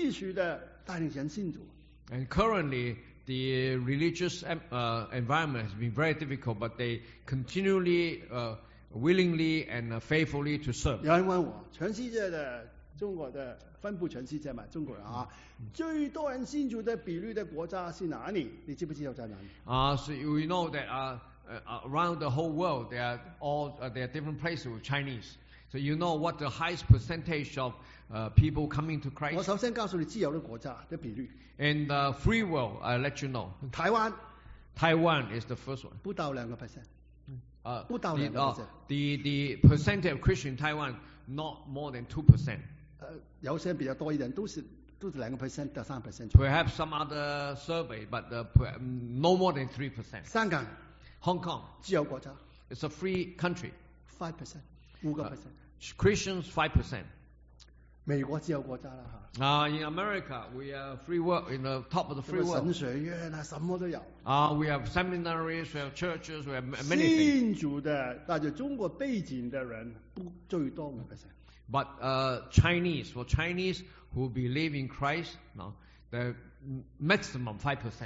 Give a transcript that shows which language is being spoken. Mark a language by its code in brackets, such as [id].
[zh] 他们现在除了在很困难的环境当中，继续的服侍主，继续的带领人信主。And [en] currently. The religious environment has been very difficult, but they continually, willingly, and faithfully to serve. [zh] 有人问我，全世界的中国的分布全世界嘛，中国人啊，最多人信主的比率的国家是哪里？你知不知道在哪里？ [en] So you know that around the whole world, there are all there are different places with Chinese. So you know what the highest percentage of people coming to Christ. [zh] 我首先告诉你，自由的国家的比率。 [en] And the free world, I let you know. [zh] 台湾, [en] Taiwan is the first one. [zh] 不到2%。 [en] The percentage of Christian Taiwan not more than 2%. [zh] 有些比较多一点，都是2%到3%。 [en] Perhaps some other survey, but no more than 3%. [zh] 香港, [en] Hong Kong, [zh] 自由国家, [en] it's a free country. [zh] 5%, 5%。 [en] Christians 5%. [zh] 美国自由国家了哈。 [en] In America, we are free world in the top of the free world. [zh] 神学院啊，什么都有。 [en] We have seminaries, we have churches, we have many things. [zh] 信主的，带着中国背景的人不最多 5%。 [en] But Chinese, for Chinese who believe in Christ, no, the maximum 5%.